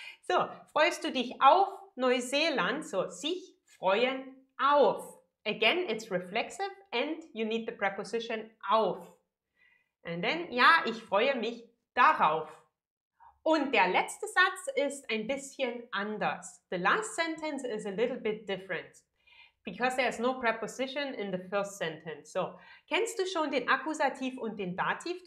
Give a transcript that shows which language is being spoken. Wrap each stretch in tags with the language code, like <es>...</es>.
<de>So, freust du dich auf Neuseeland, so sich freuen auf.</de> <en>Again, it's reflexive and you need the preposition auf. And then,</en> <de>ja, ich freue mich darauf. Und der letzte Satz ist ein bisschen anders.</de> <en>The last sentence is a little bit different because there is no preposition in the first sentence.</en> <de>So, kennst du schon den Akkusativ und den Dativ?</de>